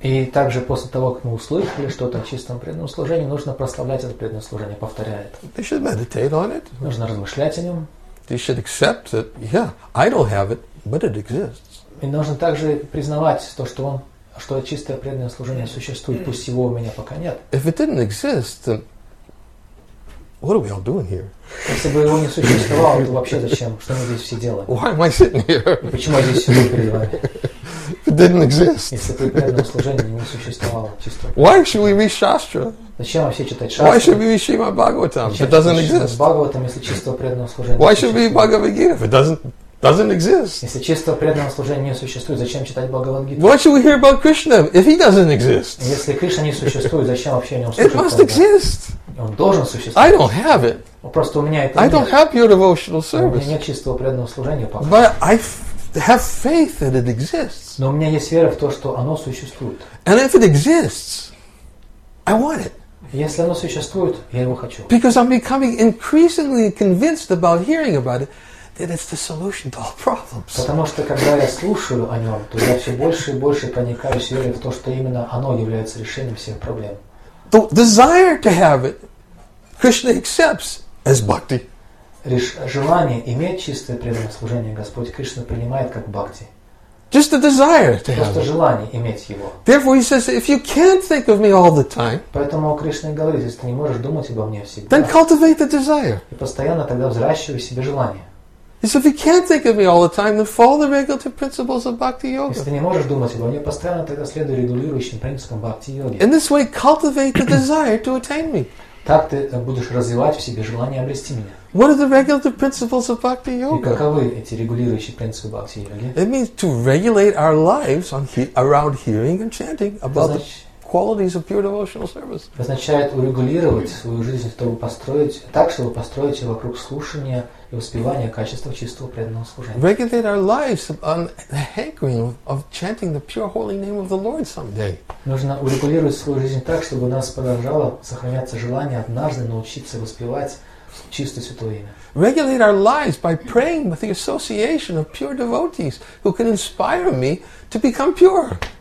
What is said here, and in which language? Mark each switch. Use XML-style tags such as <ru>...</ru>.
<ru>И также после того, как мы услышали что-то о чистом преданном служении, нужно прославлять это преданное служение, повторяя это.</ru> <en>They should meditate on it.</en> <ru>Нужно размышлять о нем.</ru> <en>They should accept that, yeah, I don't have it, but it exists.</en> <ru>И нужно также признавать то, что он, что чистое преданное служение существует, пусть его у меня пока нет.</ru> <en>If it didn't exist, then what are we all doing here?</en> <ru>Если бы его не существовало, то вообще зачем? Что мы здесь все делаем?</ru> <en>Why am I sitting here?</en> <ru>Почему я здесь сижу перед вами?</ru> <en>If it didn't exist.</en> <ru>Если бы преданное служение не существовало чисто.</ru> <en>Why should we read Shastra?</en> <ru>Зачем вообще читать Шастру?</ru> <en>Why should we read Shrimad Bhagavatam if it doesn't exist?</en> <ru>Бхагаватам, если чистого преданного служения.</ru> <en>Why should we read Bhagavad Gita if it doesn't exist?</en> <ru>Если чистого преданного служения не существует, зачем читать Бхагавад Гиту?</ru> <en>Why should we hear about Krishna if he doesn't exist?</en> <ru>Если Кришна не существует, зачем вообще о нем слушать?</ru> <en>It must exist.</en> <ru>Он должен существовать.</ru> <en>I don't have it.</en> <ru>Просто у меня это нет.</ru> <en>I don't have pure devotional service.</en> <ru>У меня нет чистого преданного служения пока.</ru> <en>But I have faith that it exists.</en> <ru>Но у меня есть вера в то, что оно существует.</ru> <en>And if it exists, I want it.</en> <ru>Если оно существует, я его хочу.</ru> <en>Because I'm becoming increasingly convinced about hearing about it that it's the solution to all problems.</en> <ru>Потому что когда я слушаю о нем, то я все больше и больше проникаюсь верой в то, что именно оно является решением всех проблем.</ru> <en>The desire to have it, Krishna accepts as bhakti.</en> <ru>Желание иметь чистое преданное служение Господь Кришна принимает как бхакти.</ru> <en>Just a desire to have.</en> <ru>Просто желание иметь его.</ru> <en>Therefore, he says, if you can't think of me all the time.</en> <ru>Поэтому Кришна говорит, если ты не можешь думать обо мне всегда.</ru> <en>Then cultivate the desire.</en> <ru>И постоянно тогда взращивай себе желание.</ru> <en>He says, if you can't think of me all the time, then follow the regulative principles of bhakti yoga.</en> <ru>Если ты не можешь думать обо мне постоянно, тогда следуй регулирующим принципам бхакти йоги.</ru> <en>In this way, cultivate the desire to attain me.</en> <ru>Так ты будешь развивать в себе желание обрести меня.</ru> <en>What are the regulative principles of bhakti yoga?</en> <ru>И каковы эти регулирующие принципы бхакти йоги?</ru> <en>It means to regulate our lives on around hearing and chanting about the qualities of pure devotional service.</en> <ru>Означает урегулировать свою жизнь, чтобы построить так, чтобы построить ее вокруг слушания и успевания качества чистого преданного служения.</ru> <en>Regulate our lives on the hankering of chanting the pure holy name of the Lord someday.</en> <ru>Нужно урегулировать свою жизнь так, чтобы у нас продолжало сохраняться желание однажды научиться воспевать чистое святое имя.</ru> <en>Regulate our lives by praying with the association of pure devotees who can inspire me to become pure.</en>